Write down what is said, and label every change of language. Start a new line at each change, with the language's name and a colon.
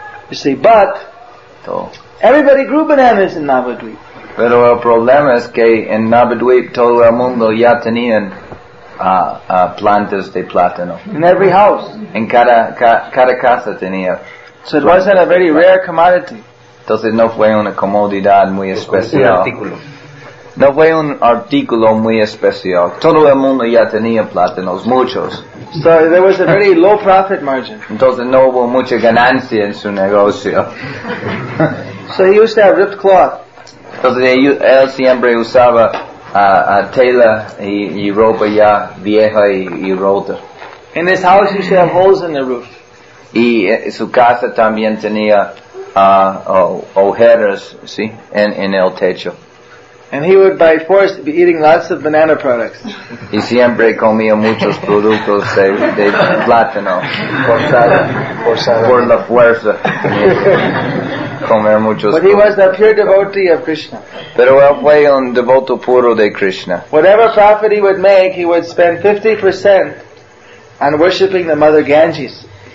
English: You see, but everybody grew bananas in Navadvip.
Spanish: Pero el problema es que en Navadvip todo el mundo ya tenía plantas de plátano.
English: In every house.
Spanish: En cada casa tenía.
English: So it wasn't a very rare commodity.
Spanish: Entonces no fue una comodidad muy especial. No fue un artículo muy especial. Todo el mundo ya tenía plátanos, muchos.
English: So there was a very low profit margin.
Spanish: Entonces no hubo mucha ganancia en su negocio.
English: So he used to have ripped cloth.
Spanish: Entonces él siempre usaba tela y ropa ya vieja y rota.
English: In his house he used to have holes in the roof.
Spanish: Y su casa también tenía ojeras, sí, en el techo.
English: And he would, by force, be eating lots of banana products.
Spanish: Y siempre comía muchos productos de plátano. Por la fuerza. Comer muchos productos.
English: But he was a pure devotee of Krishna.
Spanish: Pero él fue un devoto puro de Krishna.
English: Whatever profit he would make, he would spend 50% on worshipping the Mother Ganges.